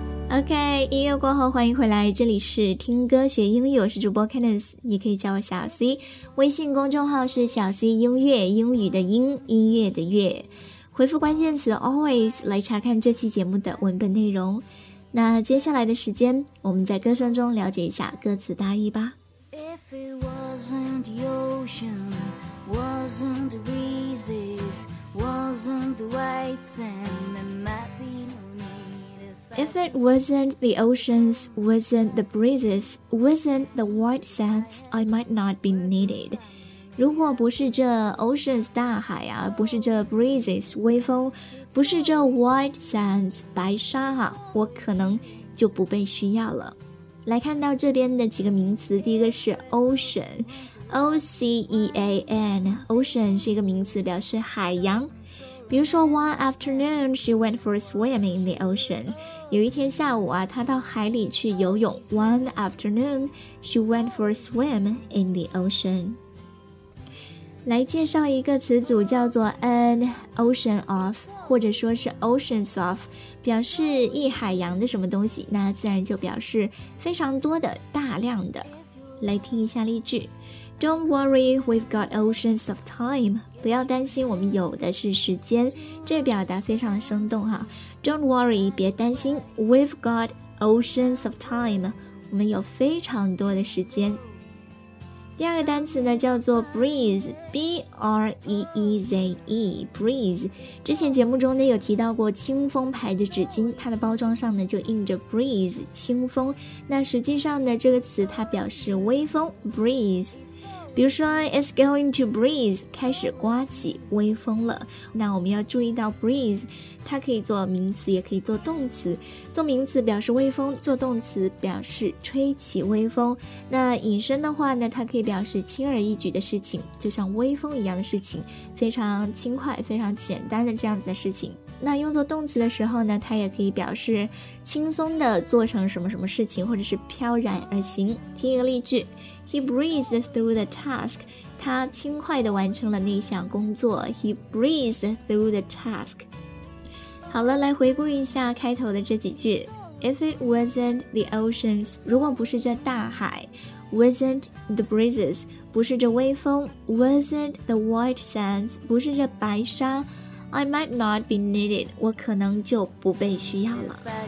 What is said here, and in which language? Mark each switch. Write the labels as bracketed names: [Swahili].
[Chinese] OK， 音乐过后欢迎回来，这里是听歌学英语，我是主播 Kenneth， 你可以叫我小 C， 微信公众号是小 C 音乐，英语的音，音乐的乐，回复关键词 always 来查看这期节目的文本内容。那接下来的时间我们在歌声中了解一下歌词大意吧。 [English] If it wasn't the ocean, wasn't the breezes, wasn't the white sand, there might be If it wasn't the oceans, wasn't the breezes, wasn't the white sands, I might not be needed. [Chinese] 如果不是这 oceans 大海啊，不是这 breezes 微风，不是这 white sands 白沙啊，我可能就不被需要了。来看到这边的几个名词，第一个是 ocean, O-C-E-A-N, ocean 是一个名词，表示海洋。比如说 [English] One afternoon she went for a swim in the ocean. [Chinese] 有一天下午啊，她到海里去游泳。 [English] One afternoon she went for a swim in the ocean. [Chinese] 来介绍一个词组，叫做 an ocean of， 或者说是 oceans of， 表示一海洋的什么东西，那自然就表示非常多的、大量的。来听一下例句。 [English] Don't worry, we've got oceans of time. [Chinese] 不要担心，我们有的是时间。这表达非常生动哈。 [English] Don't worry, [Chinese] 别担心。 [English] We've got oceans of time. [Chinese] 我们有非常多的时间。第二个单词呢叫做 breeze, B-R-E-E-Z-E, breeze. 之前节目中呢有提到过清风牌的纸巾，它的包装上呢就印着 breeze, 清风。那实际上呢这个词它表示微风 breeze。比如说 [English] it's going to breeze, [Chinese] 开始刮起微风了。那我们要注意到 breeze, 它可以做名词也可以做动词。做名词表示微风，做动词表示吹起微风。那引申的话呢，它可以表示轻而易举的事情，就像微风一样的事情，非常轻快非常简单的这样子的事情。那用作动词的时候呢，它也可以表示轻松的做成什么什么事情，或者是飘然而行。听一个例句， [English] He breezed through the task. [Chinese] 他轻快地完成了那项工作。 [English] He breezed through the task. [Chinese] 好了，来回顾一下开头的这几句。 [English] If it wasn't the oceans, [Chinese] 如果不是这大海， [English] Wasn't the breezes, [Chinese] 不是这微风， [English] Wasn't the white sands, [Chinese] 不是这白沙， [English] I might not be needed, [Chinese] 我可能就不被需要了。